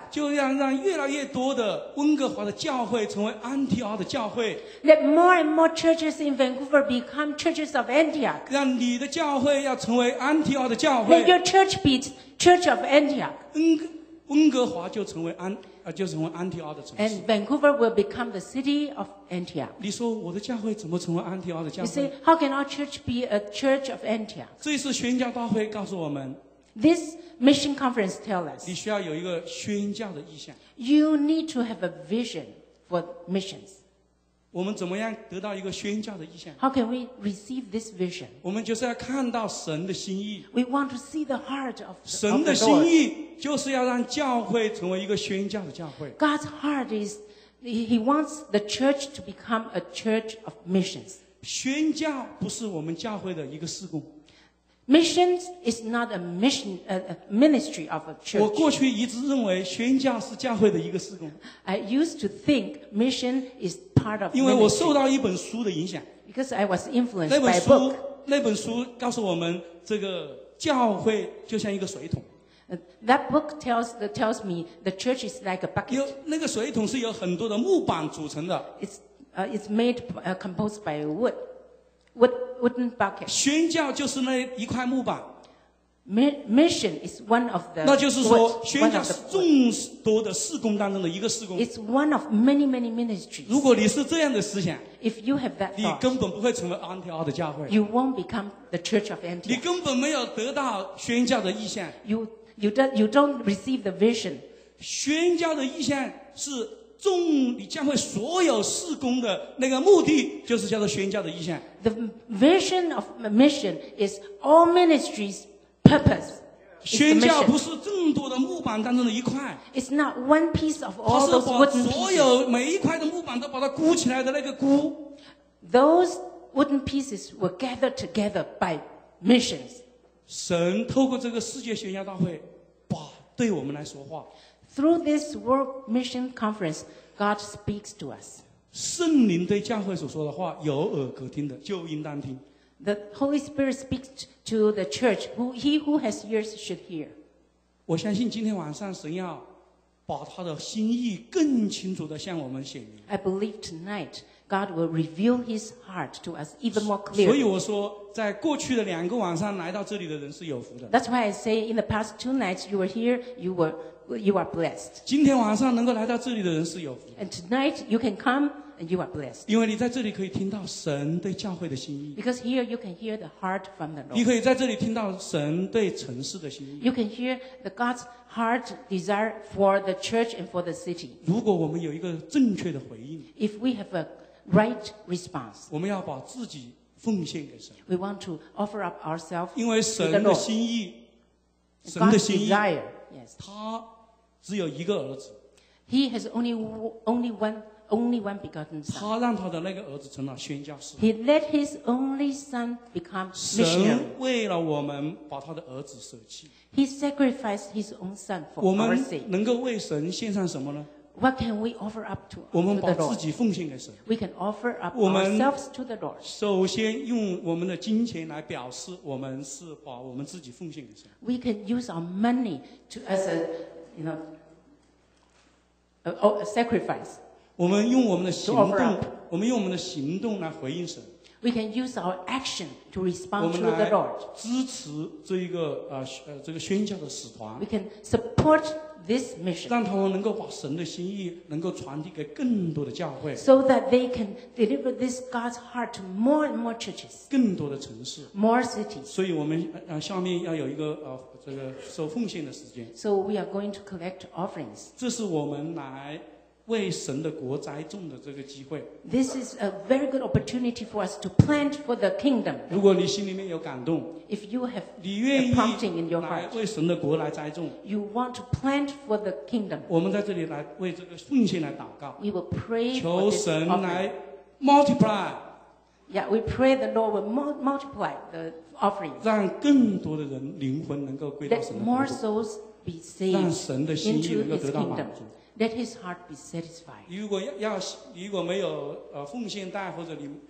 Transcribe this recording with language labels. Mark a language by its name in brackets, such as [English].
[Chinese] 就要让越来越多的温哥华的教会成为安提阿的教会。 [English] Let more and more churches in Vancouver become churches of Antioch. [Chinese] 让你的教会要成为安提阿的教会。 [English] Let your church be church of Antioch. [Chinese] 温哥华就成为安就成为安提阿的城市。 [English] And Vancouver will become the city of Antioch. [Chinese] 你说我的教会怎么成为安提阿的教会？ [English] You say, how can our church be a church of Antioch? [Chinese] 这是宣教大会告诉我们。 [English] This mission conference tells us. [Chinese] 你需要有一个宣教的意向。 [English] You need to have a vision for missions. [Chinese] 我们怎么样得到一个宣教的意向？ [English] How can we receive this vision? [Chinese] 我们就是要看到神的心意。 [English] We want to see the heart of the Lord. [Chinese] 神的心意。就是要让教会成为一个宣教的教会。 [English] God's heart is, He wants the church to become a church of missions. [Chinese] 宣教不是我们教会的一个事工。 [English] Missions is not a mission, a ministry of a church. [Chinese] 我过去一直认为宣教是教会的一个事工。 [English] I used to think mission is part of ministry. [Chinese] 因为我受到一本书的影响。 [English] Because I was influenced by a book. [Chinese] 那本书告诉我们，这个教会就像一个水桶。 [English] That book tells me the church is like a bucket. [Chinese] 有那个水桶是由很多的木板组成的。 [English] It's made composed by wooden bucket. [Chinese] 宣教就是那一块木板。 [English] Mission is one of the. [Chinese] 那就是说，宣教是众多的事工当中的一个事工。 [English] It's one of many many ministries. [Chinese] 如果你是这样的思想 [English] ，If you have that thought, [Chinese] 你根本不会成为安提阿的教会。 [English] You won't become the church of Antioch. [Chinese] 你根本没有得到宣教的意向。 [English] You don't receive the vision. [Chinese] 宣教的意向是众你教会所有事工的那个目的，就是叫做宣教的意向。 [English] The vision of mission is all ministry's purpose. [Chinese] 宣教不是众多的木板当中的一块。 [English] It's not one piece of all those wooden pieces. [Chinese] 它是把所有每一块的木板都把它箍起来的那个箍。 [English] Those wooden pieces were gathered together by missions. [Chinese] 神透过这个世界宣教大会。对我们来说话。 [English] Through this World Mission Conference, God speaks to us. [Chinese] 圣灵对教会所说的话，有耳可听的就应当听。 [English] The Holy Spirit speaks to the church. He who has ears should hear. [Chinese] 我相信今天晚上神要把他的心意更清楚地向我们显明。 [English] I believe tonight God will reveal His heart to us even more clearly. [Chinese] 所以我说。在过去的两个晚上来到这里的人是有福的。 [English] That's why I say in the past two nights you were here, you are blessed. [Chinese] 今天晚上能够来到这里的人是有福的。 [English] And tonight you can come and you are blessed. [Chinese] 因为你在这里可以听到神对教会的心意。 [English] Because here you can hear the heart from the Lord. [Chinese] 你可以在这里听到神对城市的心意。 [English] You can hear the God's heart desire for the church and for the city. [Chinese] 如果我们有一个正确的回应。 [English] If we have a right response. [Chinese] 我们要把自己奉献给神。 [English] We want to offer up ourselves. [Chinese] 因为神的心意，神的心意，他只有一个儿子。 [English] He has only one begotten son. [Chinese] 他让他的那个儿子成了宣教士。 [English] He let his only son become missionary. [Chinese] 神为了我们把他的儿子舍弃。 [English] He sacrificed his own son for our sake. [Chinese] 我们能够为神献上什么呢？ [English] What can we offer up to the Lord? [Chinese] 我们把自己奉献给神。 [English] We can offer up ourselves to the Lord. [Chinese] 首先用我们的金钱来表示我们是把我们自己奉献给神。 [English] We can use our money to as a, you know, a sacrifice. [Chinese] 我们用我们的行动，我们用我们的行动来回应神。 [English] We can use our action to respond to the Lord. [Chinese] 支持这一个这个宣教的使团。 [English] We can support. This mission. [Chinese] 让他们能够把神的心意能够传递给更多的教会 [English] so that they can deliver this God's heart to more and more churches [Chinese] 更多的城市 [English] more cities [Chinese] 所以我们下面要有一个这个收奉献的时间 [English] so we are going to collect offerings [Chinese] 这是我们来为神的国栽种的这个机会 [English] this is a very good opportunity for us to plant for the kingdom [Chinese] 如果你心里面有感动 [English] if you have [Chinese] 你愿意来为神的国来栽种 [English] you want to plant for the kingdom [Chinese] 我们在这里来为这个奉献来祷告 [English] we will pray [Chinese] 求神来 multiply [English] yeah we pray the Lord will multiply the offering [Chinese] 让更多的人灵魂能够归到神的国 [English] let more souls be saved [Chinese] 让神的心意能够得到满足 [English] Let his heart be satisfied. [Chinese] 如果没有奉献带或者你